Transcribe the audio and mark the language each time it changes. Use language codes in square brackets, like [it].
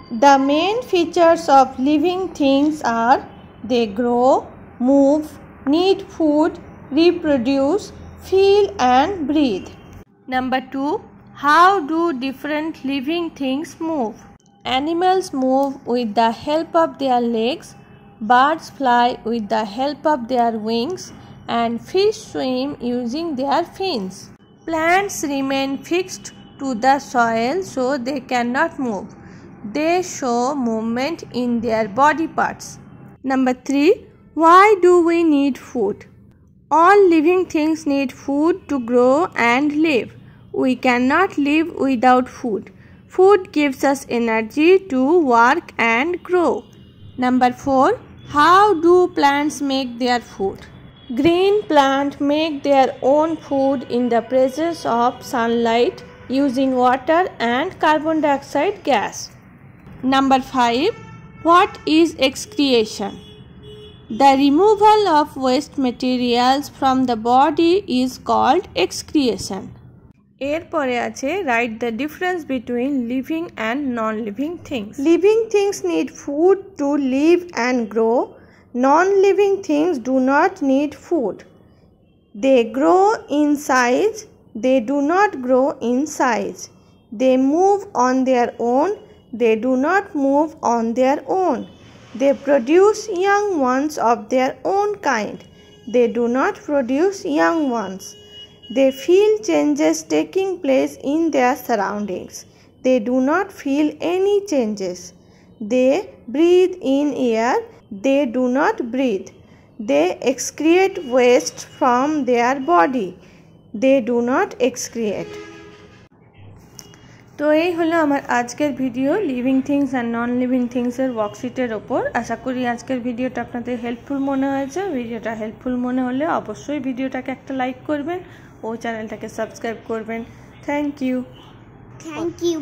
[en] The main features of living things are, they grow, move, need food, reproduce, feel and breathe. Number two, how do different living things move. Animals move with the help of their legs, birds fly with the help of their wings, and fish swim using their fins. Plants remain fixed to the soil so they cannot move. They show movement in their body parts. Number 3. Why do we need food? All living things need food to grow and live. We cannot live without food. Food gives us energy to work and grow. Number 4. How do plants make their food? Green plants make their own food in the presence of sunlight using water and carbon dioxide gas. Number 5. What is excretion? The removal of waste materials from the body is called excretion. [bn] এরপরে আছে [en] Right the difference between living and non living things. Living things need food to live and grow. Non-living things do not need food. They grow in size. They do not grow in size. They move on their own. They do not move on their own. They produce young ones of their own kind. They do not produce young ones. They feel changes taking place in their surroundings. They do not feel any changes. They breathe in air. They do not breathe. They excrete waste from their body. They do not excrete. [bn] তো এই হলো আমার আজকের video living things and non living থিংসের ওয়ার্কশিটের ওপর। আশা করি আজকের ভিডিওটা আপনাদের হেল্পফুল মনে হয়েছে। ভিডিওটা হেল্পফুল মনে হলে অবশ্যই ভিডিওটাকে একটা লাইক করবেন ও চ্যানেলটাকে সাবস্ক্রাইব করবেন। [en] thank you